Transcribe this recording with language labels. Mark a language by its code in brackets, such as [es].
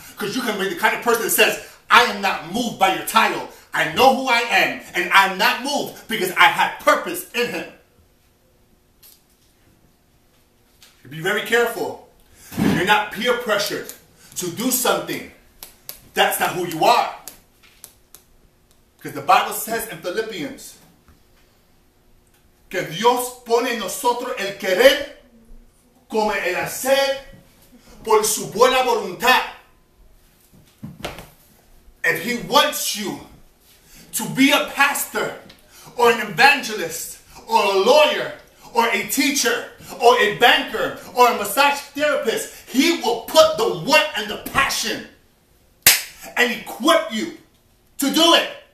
[en] Because you can be the kind of person that says, I am not moved by your title. I know who I am and I'm not moved because I have purpose in him. Be very careful. You're not peer pressured to do something. That's not who you are. Because the Bible says in Philippians, [es] que Dios pone en nosotros el querer como el hacer por su buena voluntad. [en] If he wants you to be a pastor or an evangelist or a lawyer or a teacher or a banker or a massage therapist, he will put the want and the passion and equip you to do it.